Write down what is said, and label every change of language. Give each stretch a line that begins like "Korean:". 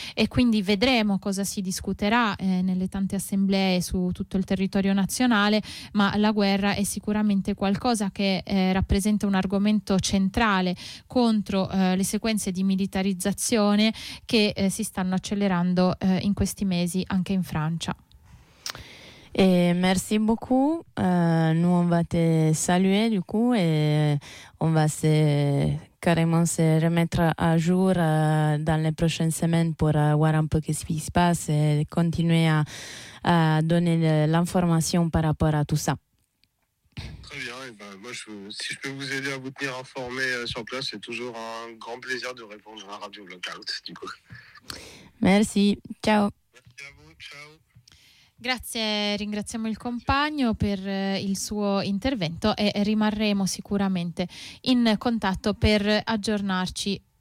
Italian: E quindi vedremo cosa si discuterà nelle tante assemblee su tutto il territorio nazionale, ma la guerra è sicuramente qualcosa che rappresenta un argomento centrale contro le sequenze di militarizzazione che si stanno accelerando in questi mesi anche in Francia.
French: Et merci beaucoup. Nous on va te saluer du coup et on va carrément se remettre à jour dans les prochaines semaines pour voir un peu ce qui se passe et continuer à donner l'information par rapport à tout ça. Très bien, et ben moi si je peux vous aider à vous tenir informé sur place, c'est toujours un grand plaisir de répondre à Radio Blackout, du coup. Merci, ciao. Merci à vous, ciao.
Italian: Grazie, ringraziamo il compagno per il suo intervento e rimarremo sicuramente in contatto per aggiornarci.